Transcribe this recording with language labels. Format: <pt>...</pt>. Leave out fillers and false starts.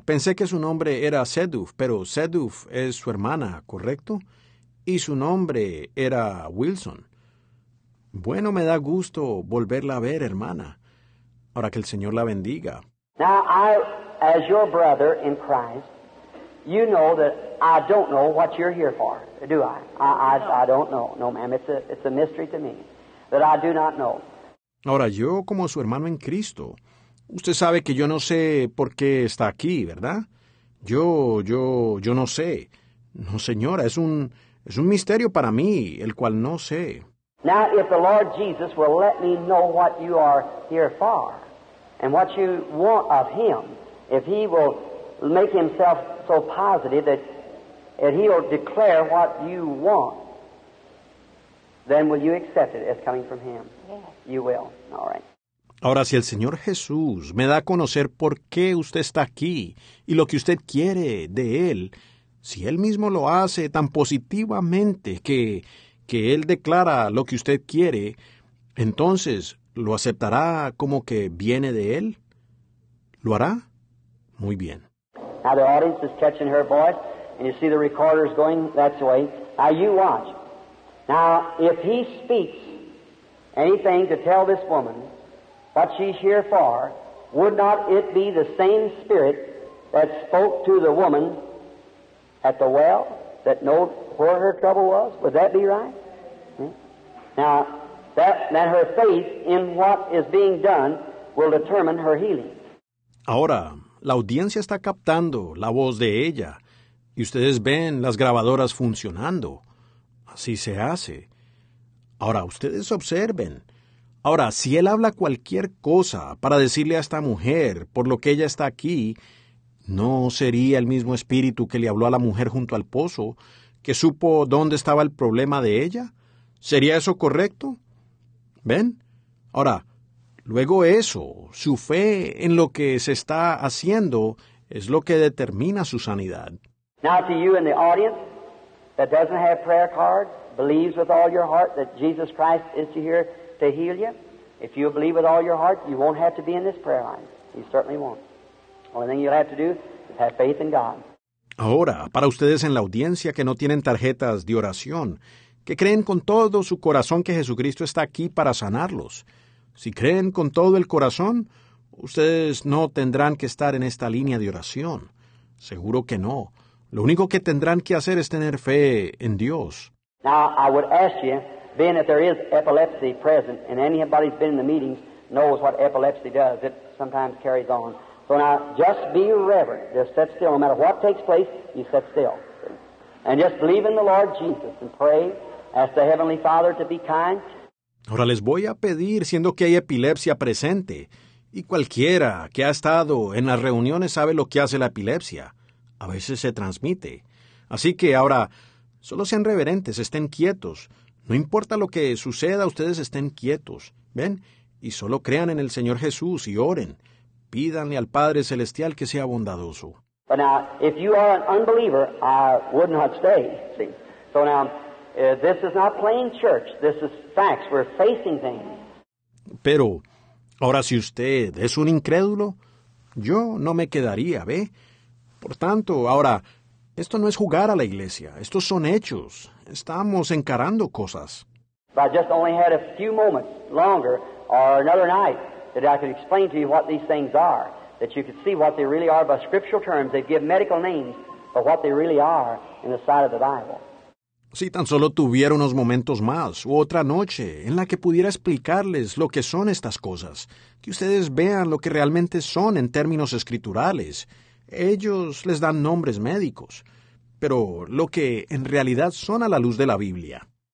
<es>Pensé que su nombre era Seduf, pero Seduf es su hermana, ¿correcto? Y su nombre era Wilson. Bueno, me da gusto volverla a ver, hermana. Ahora que el Señor la bendiga.</es> <en>Now, I, as your brother in Christ, you know that I don't know what you're here for, do I? I don't know. No, ma'am, it's a mystery to me that I do not know.</en> <es>Ahora, yo como su hermano en Cristo... Usted sabe que yo no sé por qué está aquí, ¿verdad? Yo no sé. No, señora, es un misterio para mí, el cual no sé.</es> <en>Now, if the Lord Jesus will let me know what you are here for and what you want of him, if he will make himself so positive that he will declare what you want, then will you accept it as coming from him? Yes. You will. All right.</en> <es>Ahora, si el Señor Jesús me da a conocer por qué usted está aquí y lo que usted quiere de Él, si Él mismo lo hace tan positivamente que Él declara lo que usted quiere, entonces, ¿lo aceptará como que viene de Él? ¿Lo hará? Muy bien.</es> <en>Now the audience is catching her voice, and you see the recorder's going that way. Now you watch. Now, if he speaks anything to tell this woman... what she's here for, would not it be the same spirit that spoke to the woman at the well that know where her trouble was? Would that be right? Now, that her faith in what is being done will determine her healing.</en> <es>Ahora, la audiencia está captando la voz de ella, y ustedes ven las grabadoras funcionando. Así se hace. Ahora, ustedes observen. Ahora, si él habla cualquier cosa para decirle a esta mujer por lo que ella está aquí, ¿no sería el mismo espíritu que le habló a la mujer junto al pozo, que supo dónde estaba el problema de ella? ¿Sería eso correcto? ¿Ven? Ahora, luego eso, su fe en lo que se está haciendo, es lo que determina su sanidad.</es> <en>Now to you in the audience that doesn't have prayer cards, believes with all your heart that Jesus Christ is here to heal you. If you believe with all your heart, you won't have to be in this prayer line. You certainly won't. Only thing you'll have to do is have faith in God.</en> <es>Ahora, para ustedes en la audiencia que no tienen tarjetas de oración, que creen con todo su corazón que Jesucristo está aquí para sanarlos. Si creen con todo el corazón, ustedes no tendrán que estar en esta línea de oración. Seguro que no. Lo único que tendrán que hacer es tener fe en Dios.</es> <en>Now, I would ask you, being that there is epilepsy present, and anybody who's been in the meetings knows what epilepsy does. It sometimes carries on. So now, just be reverent. Just sit still. No matter what takes place, you sit still. And just believe in the Lord Jesus and pray, ask the Heavenly Father to be kind.</en> <es>Ahora les voy a pedir, siendo que hay epilepsia presente, y cualquiera que ha estado en las reuniones sabe lo que hace la epilepsia. A veces se transmite. Así que ahora, solo sean reverentes, estén quietos. No importa lo que suceda, ustedes estén quietos. ¿Ven? Y solo crean en el Señor Jesús y oren. Pídanle al Padre Celestial que sea bondadoso.</es> <en>But now, if you are an unbeliever, I would not stay. See? So now, this is not plain church. This is facts. We're facing things.</en> <es>Pero, ahora si usted es un incrédulo, yo no me quedaría, ¿ve? Por tanto, ahora, esto no es jugar a la iglesia. Estos son hechos. Estamos encarando cosas.</es> <en>But I just only had a few moments longer, or another night, that I could explain to you what these things are. That you could see what they really are by scriptural terms. They give medical names for what they really are in the sight of the Bible.</en> <es>Si tan solo tuviera unos momentos más, u otra noche, en la que pudiera explicarles lo que son estas cosas, que ustedes vean lo que realmente son en términos escriturales. Ellos les dan nombres médicos, pero lo que en realidad son a la luz de la Biblia.</es>